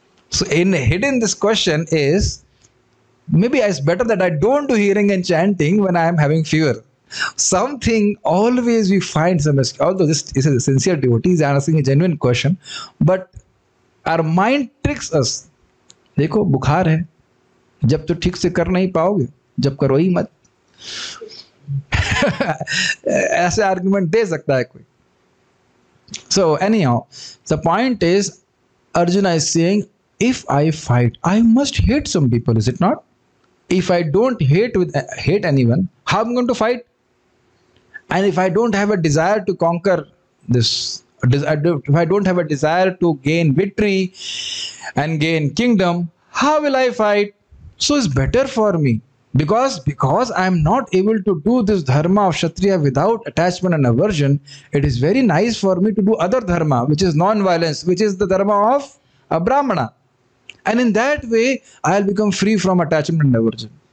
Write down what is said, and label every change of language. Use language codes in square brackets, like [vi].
[en] So hidden this question is, maybe it's better that I don't do hearing and chanting when I am having fever. Something always we find some, although this is a sincere devotee, is asking a genuine question, but our mind tricks us. [hi] देखो बुखार है जब तो ठीक से कर नहीं पाओगे जब करो ही मत ऐसे आर्ग्यूमेंट दे सकता है कोई [en] So anyhow the point is Arjun is saying if I fight I must hate some people is it not if I don't hate anyone how I am going to fight and if I don't have a desire to conquer this If I don't have a desire to gain victory and gain kingdom, how will I fight? So it's better for me. Because I am not able to do this dharma of kshatriya without attachment and aversion, it is very nice for me to do other dharma, which is non-violence, which is the dharma of a brahmana. And in that way, I'll become free from attachment and aversion.